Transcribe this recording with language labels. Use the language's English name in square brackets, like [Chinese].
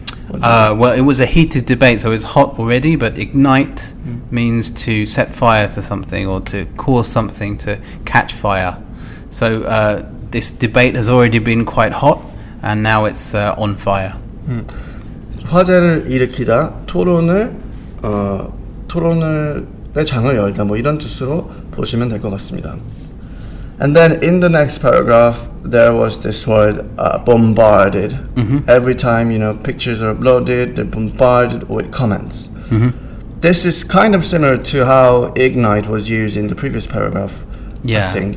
[English] Well, it was a heated debate, so it's hot already, but ignite means to set fire to something or to cause something to catch fire. So this debate has already been quite hot and now it's on fire. [Korean] 화제를 일으키다, 토론의 장을 열다, 뭐 이런 뜻으로 보시면 될 것 같습니다. [English] And then in the next paragraph, there was this word bombarded. Mm-hmm. Every time, you know, pictures are uploaded, they're bombarded with comments. Mm-hmm. This is kind of similar to how ignite was used in the previous paragraph, yeah. I think.